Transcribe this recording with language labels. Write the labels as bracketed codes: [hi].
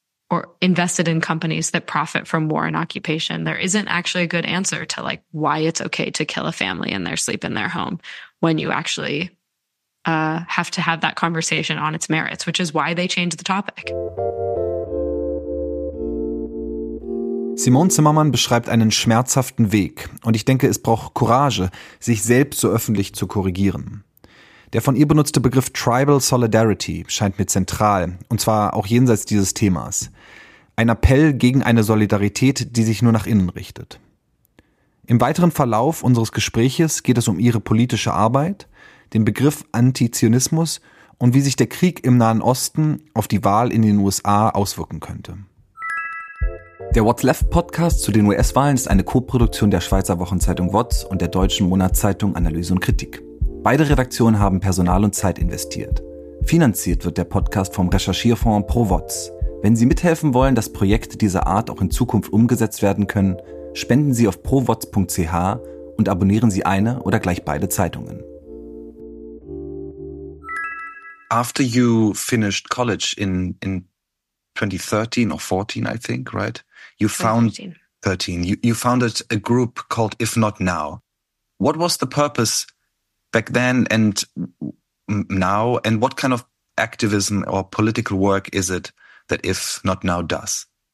[en] or invested in companies that profit from war and occupation. There isn't actually a good answer to like why it's okay to kill a family in their sleep in their home when you actually have to have that conversation on its merits, which is why they changed the topic. [de] Simone Zimmermann beschreibt einen schmerzhaften Weg und ich denke, es braucht Courage, sich selbst so öffentlich zu korrigieren. Der von ihr benutzte Begriff Tribal Solidarity scheint mir zentral, und zwar auch jenseits dieses Themas. Ein Appell gegen eine Solidarität, die sich nur nach innen richtet. Im weiteren Verlauf unseres Gespräches geht es um ihre politische Arbeit, den Begriff Antizionismus und wie sich der Krieg im Nahen Osten auf die Wahl in den USA auswirken könnte. Der What's Left Podcast zu den US-Wahlen ist eine Koproduktion der Schweizer Wochenzeitung What's und der deutschen Monatszeitung Analyse und Kritik. Beide Redaktionen haben Personal und Zeit investiert. Finanziert wird der Podcast vom Recherchierfonds ProWatts. Wenn Sie mithelfen wollen, dass Projekte dieser Art auch in Zukunft umgesetzt werden können, spenden Sie auf prowatts.ch und abonnieren Sie eine oder gleich beide Zeitungen. [en] After you finished college in 2013 or 14, I think, right? You found 13. You found a group called If Not Now. What was the purpose back then and now, and what kind of activism or political work is it that If Not Now does?